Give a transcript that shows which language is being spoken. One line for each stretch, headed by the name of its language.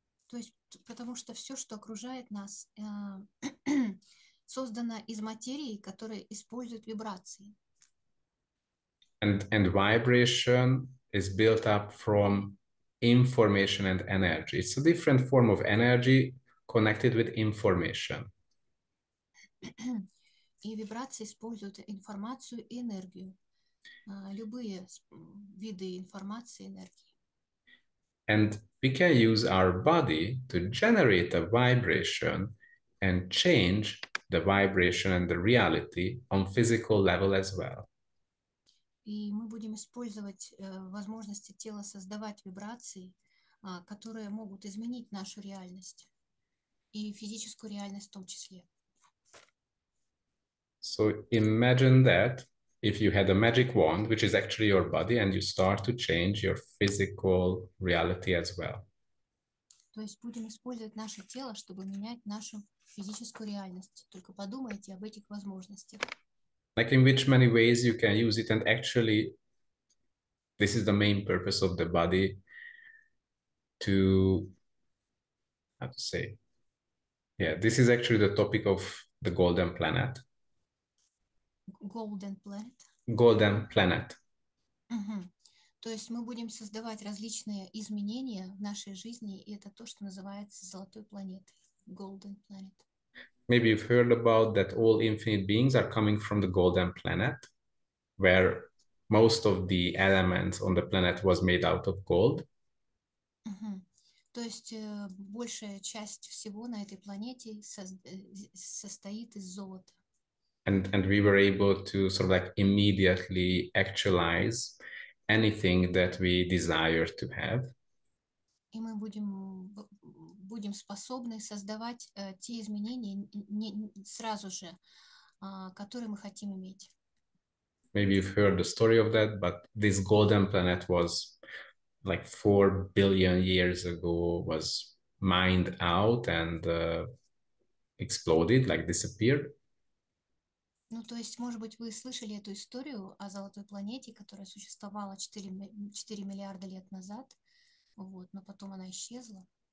Russian: То есть, потому что все, что окружает нас, создано из материи, которая использует вибрации.
English: And vibration is built up from information and energy. It's a different form of energy connected with information.
Russian: И вибрации используют информацию и энергию, любые виды информации, энергии.
English: And we can use our body to generate a vibration and change the vibration and the reality on physical level as well.
Russian: И мы будем использовать возможности тела создавать вибрации, которые могут изменить нашу реальность и физическую реальность в том числе.
English: So imagine that if you had a magic wand, which is actually your body, and you start to change your physical reality as well.
Russian: То есть будем использовать наше тело, чтобы менять нашу физическую реальность. Только подумайте об этих возможностях.
English: Like in which many ways you can use it, and actually, this is the main purpose of the body to, how to say, yeah, this is actually the topic of the Golden Planet. Golden Planet. Golden Planet.
Russian: То есть мы будем создавать различные изменения в нашей жизни, и это то, что называется Золотой планетой, Golden Planet.
English: Maybe you've heard about that all infinite beings are coming from the golden planet, where most of the elements on the planet was made out of gold.
Russian: То есть большая часть всего на этой планете состоит из золота.
English: And we were able to sort of like immediately actualize anything that we desire to have.
Russian: И мы будем способны создавать те изменения сразу же, которые мы хотим иметь.
English: Maybe you've heard the story of that, but this golden planet was like 4 billion years ago, was mined out and exploded, like disappeared.
Russian: Ну, то есть, может быть, вы слышали эту историю о золотой планете, которая существовала 4 миллиарда лет назад. Вот, но потом она исчезла.